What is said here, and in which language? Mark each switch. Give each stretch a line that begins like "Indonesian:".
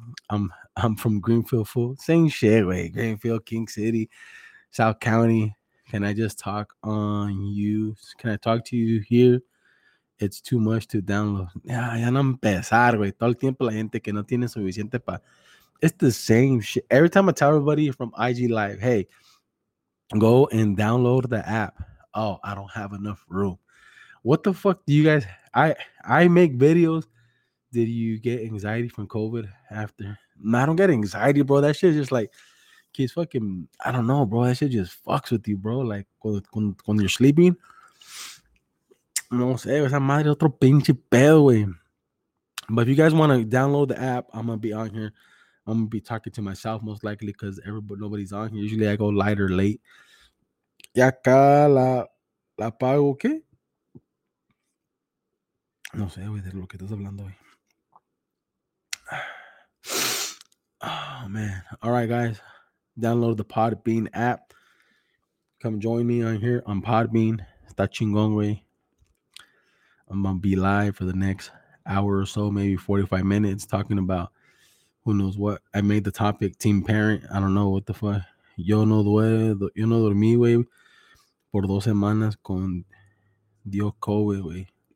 English: I'm from Greenfield, fool. Same shit, güey. Greenfield, King City, South County. Can I just talk on you? Can I talk to you here? It's too much to download. Yeah,
Spanish: ya no empezar, güey. Todo el tiempo la gente que no tiene suficiente pa.
English: It's the same shit. Every time I tell everybody from IG Live, hey, go and download the app. Oh, I don't have enough room. What the fuck do you guys... I make videos. Did you get anxiety from COVID after... No, I don't get anxiety, bro. That shit just like keeps fucking. I don't know, bro. That shit just fucks with you, bro. Like when you're sleeping.
Spanish: No sé, esa madre otro pinche pedo, güey.
English: But if you guys want to download the app, I'm gonna be on here. I'm gonna be talking to myself most likely because everybody, nobody's on here. Usually I go light or late.
Spanish: Ya acá la pago, ¿qué? No sé, güey, de lo que estás hablando, güey.
English: Oh, man. All right, guys. Download the Podbean app. Come join me on here on Podbean.
Spanish: Está chingón, güey.
English: I'm going to be live for the next hour or so, maybe 45 minutes, talking about who knows what. I made the topic team parent. I don't know what the fuck.
Spanish: Yo no dormí, güey, por dos semanas con Dios COVID, güey.